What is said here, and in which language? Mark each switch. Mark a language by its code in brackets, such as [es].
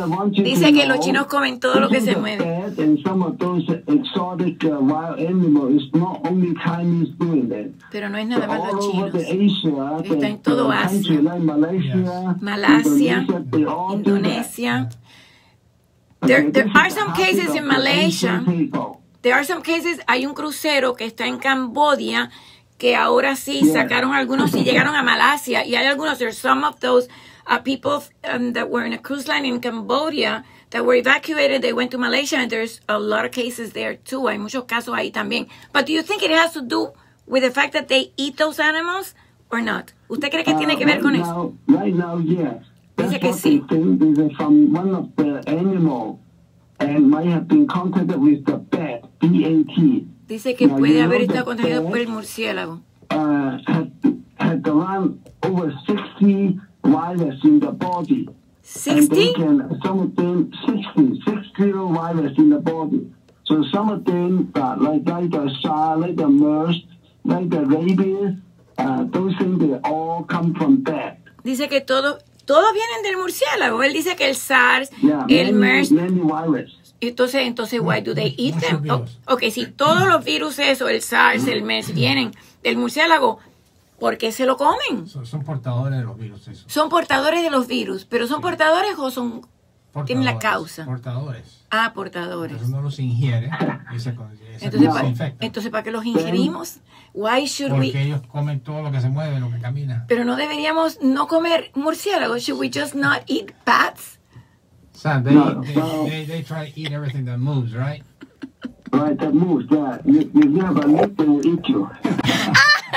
[es] Dice que los chinos comen todo lo que se mueve. [en] And some of those exotic wild animals, it's not only Chinese doing that. [es] Pero no es nada más los chinos. [en] All over Asia, [es] está en todo Asia. [en] Country, like Malaysia, yes. Malasia, Indonesia. There are some cases in Malaysia. There are some cases. [es] Hay un crucero que está en Cambodia que ahora sí sacaron algunos y llegaron a Malasia. Y hay algunos. [en] There are some of those. People that were in a cruise line in Cambodia that were evacuated, they went to Malaysia, and there's a lot of cases there too. [es] Hay muchos casos ahí también. [en] But do you think it has to do with the fact that they eat those animals or not? [es] ¿Usted cree que tiene que ver con eso? [en] Right now, yes. [es] Dice que sí. [en] This is from one of the animal and might have been contacted with the bat, B-A-T. Dice que now, puede haber estado contagiado por el murciélago. Had around over 60 virus in the body. 60? And they can, some of them, 60 virus in the body. So some of them, like the SARS, like the MERS, like the rabies, those things, they all come from that. [es] Dice que todos vienen del murciélago. Él dice que el SARS, el MERS. [en] Many virus. Entonces, why do they eat them? [es] Oh, okay, si todos los virus eso, el SARS, el MERS, vienen del murciélago, ¿por qué se lo comen? Son portadores de los virus, eso. Son portadores de los virus, pero ¿son portadores o son portadores, tienen la causa? Portadores. Ah, portadores. Entonces uno los ingiere y se infecta. Entonces, ¿para qué los ingerimos? Porque ellos comen todo lo que se mueve, lo que camina. Pero ¿no deberíamos no comer murciélagos? [en] ¿Should we just not eat bats? Sam, they try to eat everything that moves, right? Right, that moves, yeah. You have a leg, they will eat you.